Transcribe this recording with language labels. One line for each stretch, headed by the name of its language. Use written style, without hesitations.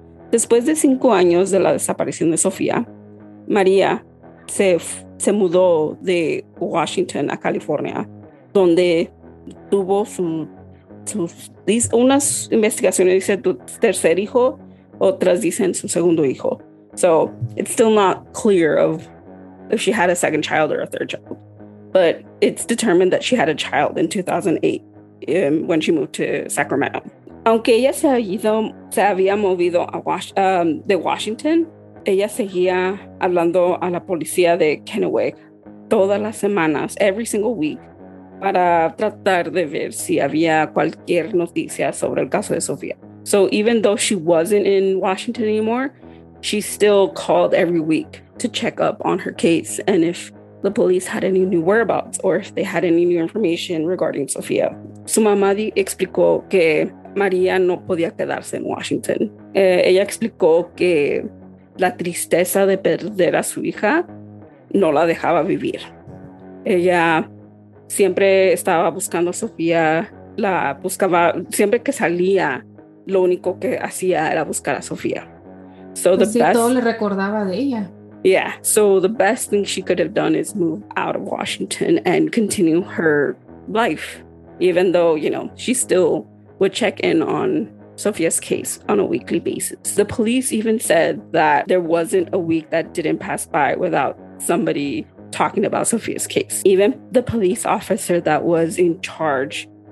Spanish: Después de 5 años de la desaparición de Sofia, María se mudó de Washington a California, donde tuvo unas investigaciones dice tu tercer hijo, otras dicen su segundo hijo.
English: So it's still not clear of if she had a second child or a third child, but it's determined that she had a child in 2008 when she moved to Sacramento.
Spanish: Aunque ella se había movido de Washington, ella seguía hablando a la policía de Kennewick todas las semanas,
English: every single week,
Spanish: para tratar de ver si había cualquier noticia sobre el caso de Sofía.
English: So even though she wasn't in Washington anymore, she still called every week to check up on her case and if the police had any new whereabouts or if they had any new information regarding Sofía.
Spanish: Su mamá explicó que María no podía quedarse en Washington. Ella explicó que la tristeza de perder a su hija no la dejaba vivir. Ella siempre estaba buscando a Sofía, la buscaba, siempre que salía, lo único que hacía era buscar a Sofía. So pues the sí, best, todo le recordaba de ella.
English: Yeah, so the best thing she could have done is move out of Washington and continue her life, even though, you know, she still would check in on Sofía's case on a weekly basis. The police even said that there wasn't a week that didn't pass by without somebody talking about Sofía's case. Even the police officer that was in charge